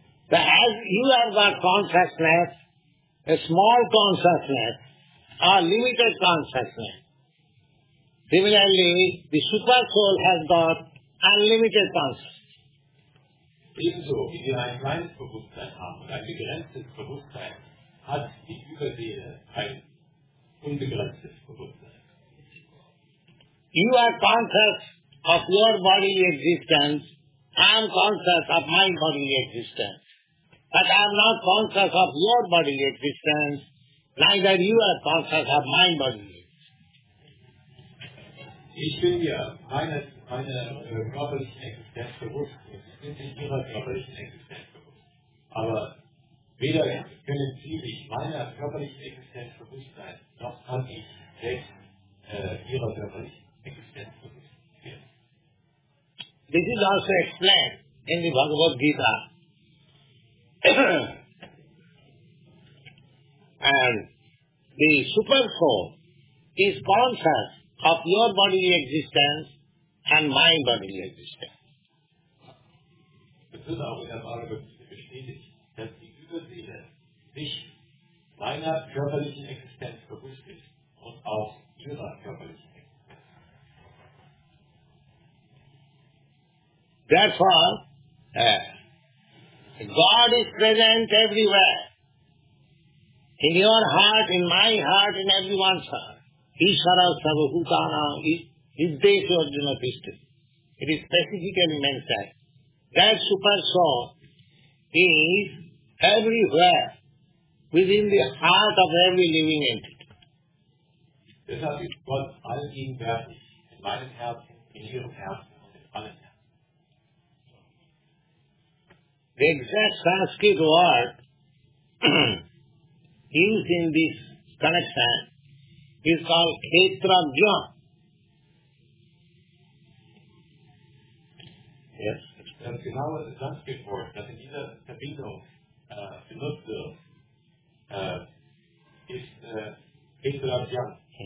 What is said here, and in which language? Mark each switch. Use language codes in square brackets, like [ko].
[en] But as you have got consciousness, a small consciousness, a limited consciousness. Similarly, the super soul has got unlimited consciousness. [de] Ebenso, wie wir ein kleines Bewusstsein haben, ein begrenztes Bewusstsein, hat die Überseele ein unbegrenztes Bewusstsein. [en] You are conscious of your bodily existence, I am conscious of my bodily existence. But I am not conscious of your bodily existence, neither you are conscious of my bodily existence. [de] Ich bin ja meine körperlichen Existenz bewusst und Sie sind sich Ihrer körperlichen Existenz bewusst. Aber weder können Sie sich meiner körperlichen Existenz bewusst sein, noch kann ich selbst Ihrer körperlichen Existenz bewusst sein. [en] This is also explained in the Bhagavad Gita. And the super soul is conscious of your bodily existence and my bodily existence. [de] Das ist auch in der Bhagavad Gita bestätigt, dass die Überseele sich meiner körperlichen Existenz bewusst ist und auch ihrer körperlichen Existenz. [en] Therefore, God is present everywhere, in your heart, in my heart, in everyone's heart. [sa] Ishvara sarvabhutana hriddyeshu arjuna tishtati. [en] It is specifically mentioned. That super soul is everywhere, within the heart of every living entity. [de] Deshalb ist Gott allgegenwärtig, in meinem Herzen, in ihrem Herzen, in allen. [en] The exact Sanskrit word used in this connection is called Khetrajna. Yes. That's [de] genau [en] the Sanskrit word that [de] in dieser Verbindung benutzt wird, [en] is Khetrajna.